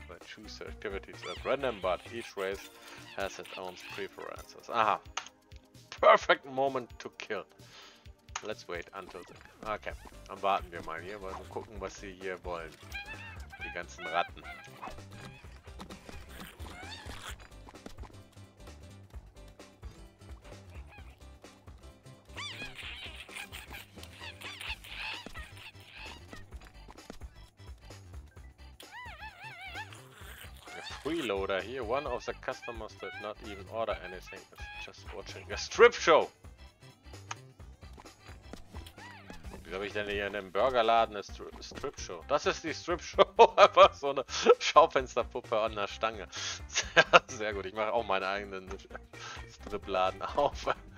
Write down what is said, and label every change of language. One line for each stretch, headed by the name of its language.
English: They choose activities at random, but each race has its own preferences. Aha. Perfect moment to kill. Let's wait until the...
German: Okay, dann warten wir mal hier, mal gucken, was sie hier wollen. Die ganzen Ratten. Der Freeloader hier.
English: One of the customers did not even order anything. It's just watching a strip show.
German: Habe ich denn hier in einem Burgerladen eine Strip-Show? Das ist die Strip-Show. Einfach so eine Schaufensterpuppe an der Stange. Sehr gut. Ich mache auch meinen eigenen Strip-Laden auf.